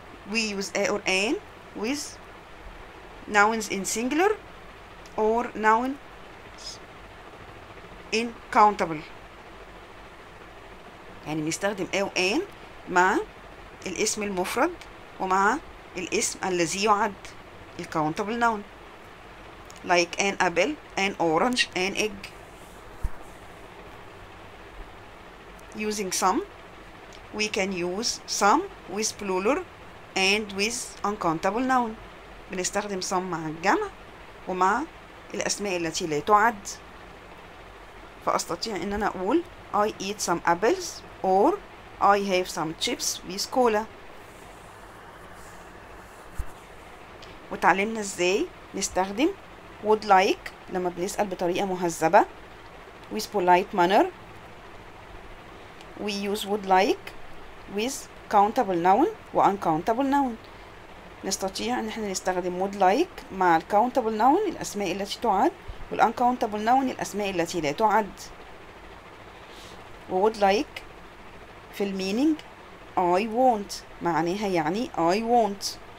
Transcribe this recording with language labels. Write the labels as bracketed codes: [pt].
[en] We use A or an with nouns in singular or nouns in countable. [ar] يعني نستخدم A وan مع الاسم المفرد ومع الاسم الذي يعد الكاونتبل ناون [en] like an apple, an orange, an egg. Using some we can use some with plural and with uncountable noun. [ar] بنستخدم some مع الجمع ومع الأسماء التي لا تعد. فأستطيع أن أنا أقول [en] I eat some apples or I have some chips with cola. [ar] وتعلمنا ازاي نستخدم would like لما بنسأل بطريقة مهذبة [en] with polite manner. We use would like with countable noun و uncountable noun. [ar] نستطيع ان احنا نستخدم would like مع countable noun الاسماء التي تعد وال uncountable noun الاسماء التي لا تعد. [en] Would like [ar] في الميننج [en] I won't [ar] معناها يعني [en] I won't.